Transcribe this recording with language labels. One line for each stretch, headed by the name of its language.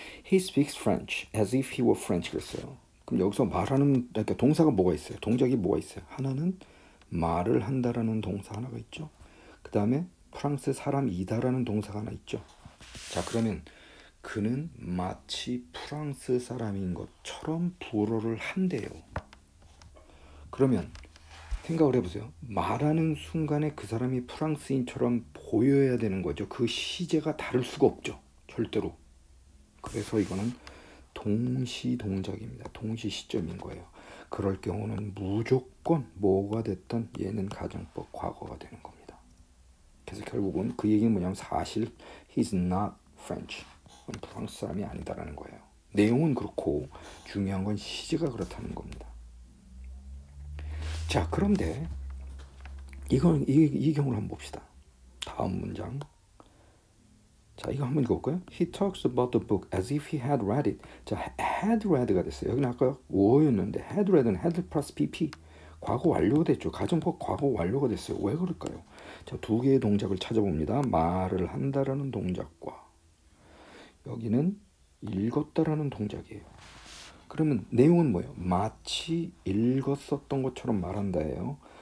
English: He speaks French as if he were French 그랬어요.
Korean: 그럼 여기서 말하는 그러니까 동사가 뭐가 있어요? 동작이 뭐가 있어요? 하나는 말을 한다라는 동사 하나가 있죠. 그다음에 프랑스 사람이다라는 동사가 하나 있죠. 자, 그러면 그는 마치 프랑스 사람인 것처럼 불어를 한대요. 그러면 생각을 해보세요. 말하는 순간에 그 사람이 프랑스인처럼 보여야 되는 거죠. 그 시제가 다를 수가 없죠. 절대로. 그래서 이거는 동시 동작입니다. 동시 시점인 거예요. 그럴 경우는 무조건 뭐가 됐든 얘는 가정법 과거가 되는 겁니다. 그래서 결국은 그 얘기는 뭐냐면 사실
English: he's not French.
Korean: 프랑스 사람이 아니다라는 거예요. 내용은 그렇고 중요한 건 시제가 그렇다는 겁니다. 자, 그런데 이건 이 경우를 한번 봅시다. 다음 문장. 자, 이거 한번 읽어볼까요?
English: He talks about the book as if he had read it.
Korean: 자, had read가 됐어요. 여기는 아까 was였는데 had read는 had plus pp. 과거 완료가 됐죠. 가정법 과거 완료가 됐어요. 왜 그럴까요? 자, 두 개의 동작을 찾아봅니다. 말을 한다라는 동작과 여기는 읽었다라는 동작이에요. 그러면 내용은 뭐예요? 마치 읽었었던 것처럼 말한다예요.